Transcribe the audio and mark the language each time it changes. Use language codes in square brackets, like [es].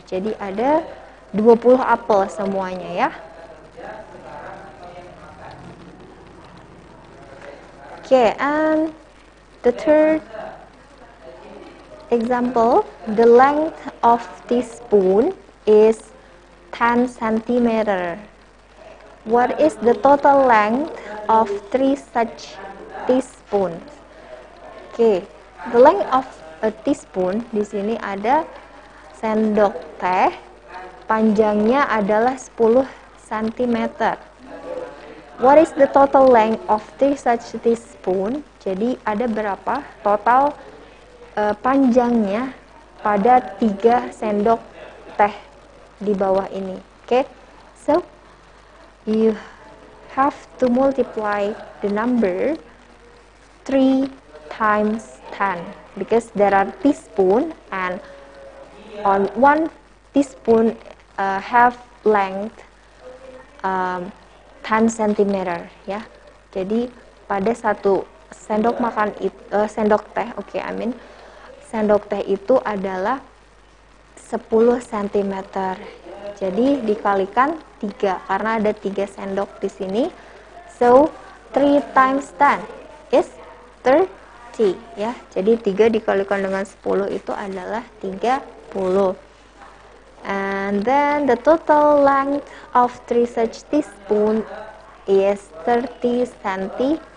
[id] Jadi ada 20 apel semuanya, ya. [en] Okay, and the third example, the length of teaspoon is 10 centimeters. What is the total length of 3 such teaspoons? Okay, the length of a teaspoon, [id] di sini ada sendok teh, panjangnya adalah 10 cm. [en] What is the total length of 3 such teaspoon? [id] Jadi ada berapa total panjangnya pada 3 sendok teh di bawah ini. Oke. Okay? [en] So you have to multiply the number 3 times 10 because there are teaspoon and on one teaspoon have length 10 cm, ya. [id] Jadi pada satu sendok makan sendok teh, oke, okay, [en] I mean [id] sendok teh itu adalah 10 cm. Jadi dikalikan 3 karena ada 3 sendok di sini. [en] So 3 times 10 is 30, ya. [id] Jadi 3 dikalikan dengan 10 itu adalah 30. [en] And then the total length of 3 such teaspoon is 30 cm.